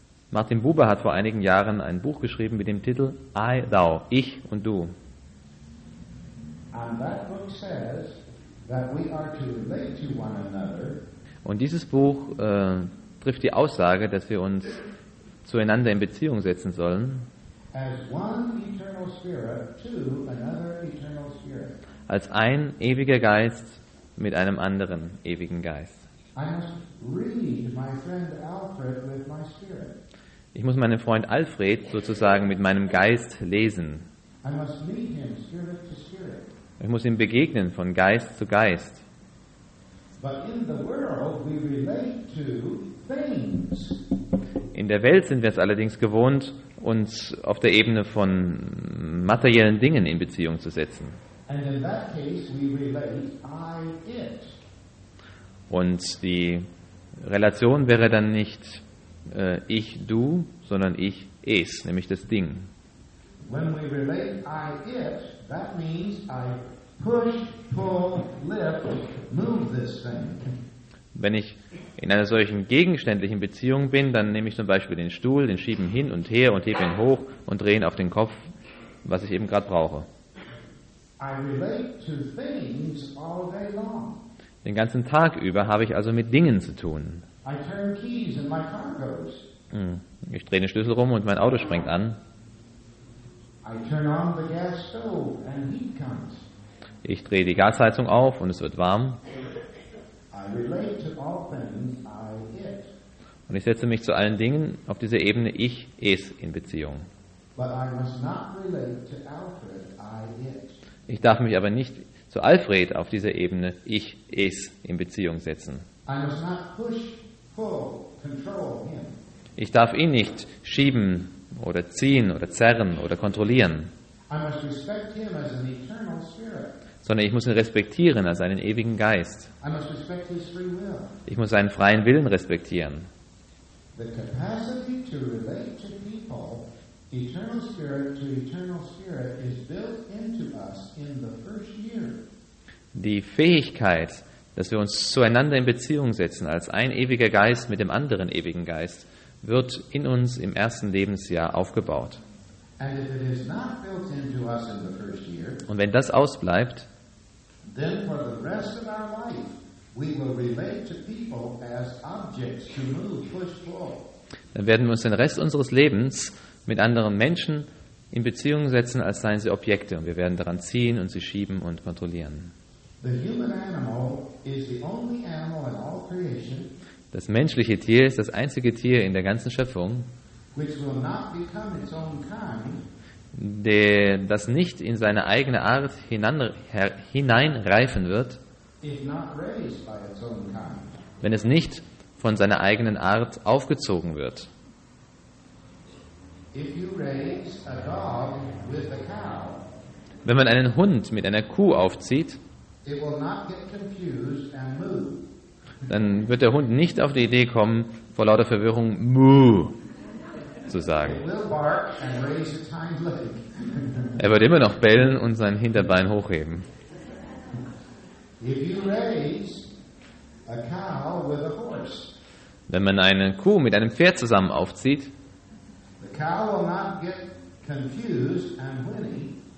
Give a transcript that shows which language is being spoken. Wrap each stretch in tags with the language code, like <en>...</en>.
<de>Martin Buber hat vor einigen Jahren ein Buch geschrieben mit dem Titel I, Thou, Ich und Du.</de> <en>And that book says that we are to relate to one another.</en> <de>Und dieses Buch trifft die Aussage, dass wir uns zueinander in Beziehung setzen sollen.</de> <en>As one eternal spirit to another eternal spirit.</en> <de>Als ein ewiger Geist mit einem anderen ewigen Geist.</de> <en>I must read my friend Alfred with my spirit.</en> <de>Ich muss meinen Freund Alfred sozusagen mit meinem Geist lesen.</de> <en>I must meet him spirit to spirit.</en> <de>Ich muss ihm begegnen von Geist zu Geist.</de> <en>But in the world we relate to things.</en> <de>In der Welt sind wir es allerdings gewohnt, uns auf der Ebene von materiellen Dingen in Beziehung zu setzen.</de> <en>And in that case we relate I, it.</en> <de>Und die Relation wäre dann nicht ich, du, sondern ich, es, nämlich das Ding.</de> <en>When we relate I, it, that means I push, pull, lift, move this thing.</en> <de>Wenn ich in einer solchen gegenständlichen Beziehung bin, dann nehme ich zum Beispiel den Stuhl, den schiebe ihn hin und her und hebe ihn hoch und drehe ihn auf den Kopf, was ich eben gerade brauche.</de> <en>I relate to things all day long.</en> <de>Den ganzen Tag über habe ich also mit Dingen zu tun.</de> <en>I turn keys and my car goes.</en> <de>Ich drehe den Schlüssel rum und mein Auto springt an.</de> <en>I turn on the gas stove and heat comes.</en> <de>Ich drehe die Gasheizung auf und es wird warm.</de> <en>I relate to all things I it.</en> <de>Und ich setze mich zu allen Dingen auf dieser Ebene ich es in Beziehung.</de> <en>But I must not relate to Alfred, I it.</en> <de>Ich darf mich aber nicht zu Alfred auf dieser Ebene ich es in Beziehung setzen.</de> <en>I must not push, pull, control him.</en> <de>Ich darf ihn nicht schieben oder ziehen oder zerren oder kontrollieren.</de> <en>I must respect him as an eternal spirit.</en> <de>Sondern ich muss ihn respektieren als einen ewigen Geist.</de> <en>I must respect his free will.</en> <de>Ich muss seinen freien Willen respektieren.</de> <en>The capacity to relate to people, eternal spirit to eternal spirit, is built into us in the first year.</en> <de>Die Fähigkeit, dass wir uns zueinander in Beziehung setzen als ein ewiger Geist mit dem anderen ewigen Geist, wird in uns im ersten Lebensjahr aufgebaut. Und wenn das ausbleibt, dann für den Rest unserer Leben</de> <en>we will relate to people as objects to move, push forward.</en> <de>Dann werden wir uns den Rest unseres Lebens mit anderen Menschen in Beziehung setzen, als seien sie Objekte. Und wir werden daran ziehen und sie schieben und kontrollieren.</de> <en>The human animal is the only animal in all creation,</en> <de>das menschliche Tier ist das einzige Tier in der ganzen Schöpfung,</de> <en>which will not become its own kind,</en> <de>das nicht in seine eigene Art hineinreifen wird,</de> <en>if not raised by its own kind,</en> <de>wenn es nicht von seiner eigenen Art aufgezogen wird.</de> <en>If you raise a dog with a cow,</en> <de>wenn man einen Hund mit einer Kuh aufzieht,</de> <en>it will not get confused and move.</en> <de>Dann wird der Hund nicht auf die Idee kommen, vor lauter Verwirrung mu zu sagen.</de> <en>It will bark and raise its hind leg.</en> <de>Er wird immer noch bellen und sein Hinterbein hochheben.</de> <en>If you raise a cow with a horse,</en> <de>wenn man eine Kuh mit einem Pferd zusammen aufzieht,</de> <en>the cow will not get confused and whinny,</en>